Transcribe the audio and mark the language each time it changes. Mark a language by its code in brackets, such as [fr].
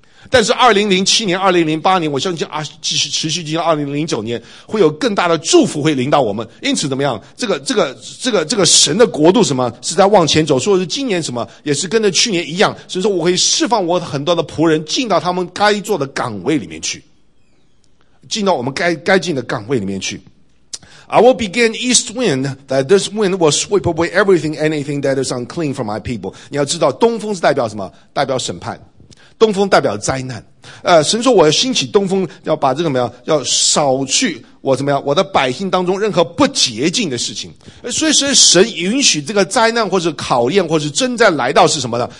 [zh] 但是2007年、2008年，我相信持续进行2009年，会有更大的祝福会临到我们。因此怎么样？这个神的国度什么？是在往前走。说是今年什么？也是跟着去年一样。所以说我会释放我很多的仆人进到他们该做的岗位里面去。进到我们该进的岗位里面去。 [en] I will begin east wind, that this wind will sweep away everything, anything that is unclean from my people. [zh] 你要知道东风是代表什么？代表审判。东风代表灾难。神说我要兴起东风，要把这个什么呀，要扫去我怎么样，我的百姓当中任何不洁净的事情。所以神允许这个灾难或是考验或是征战来到是什么呢？